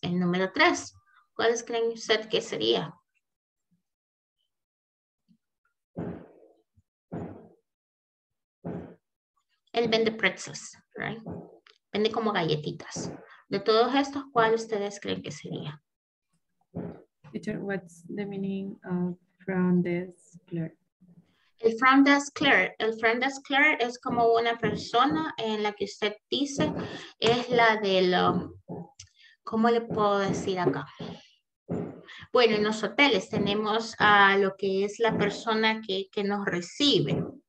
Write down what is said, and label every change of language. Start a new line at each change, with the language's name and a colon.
Spanish: El número 3. ¿Cuáles creen ustedes que sería? Él vende pretzels, right? Vende como galletitas. De todos estos, ¿cuál ustedes creen que sería?
English: Teacher, what's the meaning of front desk clerk?
Spanish: El front desk clerk. El front desk clerk es como una persona en la que usted dice es la de lo... ¿Cómo le puedo decir acá? Bueno, en los hoteles tenemos a lo que es la persona que nos recibe.